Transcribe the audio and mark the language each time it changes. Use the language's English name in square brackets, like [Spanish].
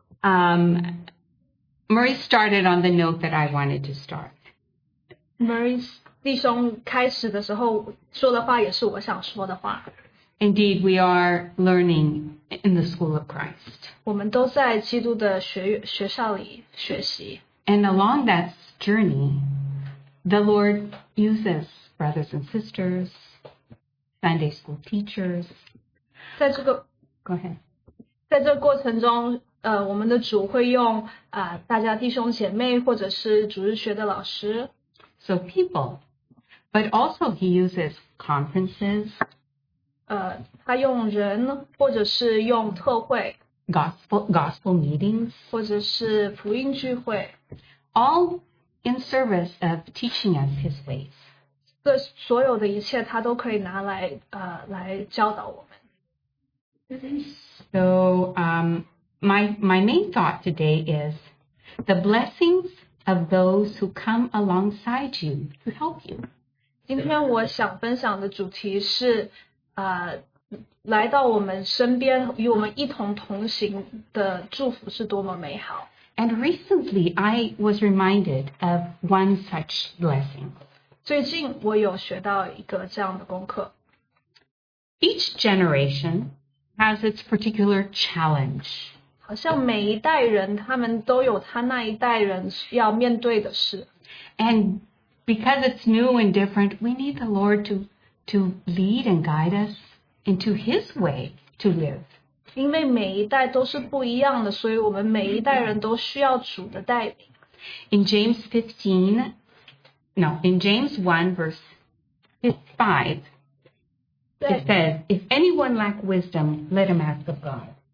[English] Murray started on the note that I wanted to start. [Chinese] Murray弟兄开始的时候说的话也是我想说的话. [English] Indeed, we are learning in the school of Christ. [Chinese] 我们都在基督的学校里学习. [English] And along that journey, the Lord uses brothers and sisters, Sunday school teachers. [Chinese] 在这个, [English] go ahead. [Chinese] 在这个过程中, 我们的主会用大家弟兄姐妹或者是主日学的老师。 [English] So people, but also he uses conferences. [Chinese] 他用人或者是用特会。 [English] Gospel meetings. [Chinese] 或者是福音聚会。 [English] All in service of teaching us his ways. [Chinese] 这所有的一切他都可以拿来来教导我们。 [English] So, my main thought today is the blessings of those who come alongside you to help you. [Chinese] 今天我想分享的主题是来到我们身边与我们一同同行的祝福是多么美好。 [English] And recently, I was reminded of one such blessing. [Chinese] 最近我有学到一个这样的功课。 [English] Each generation has its particular challenge. [Chinese] 好像每一代人他们都有他那一代人要面对的事。 [English] And because it's new and different, we need the Lord to lead and guide us into his way to live. [Chinese] 因为每一代都是不一样的，所以我们每一代人都需要主的带领。 [English] In James 1 verse 5, it says, If anyone lack wisdom, let him ask of God.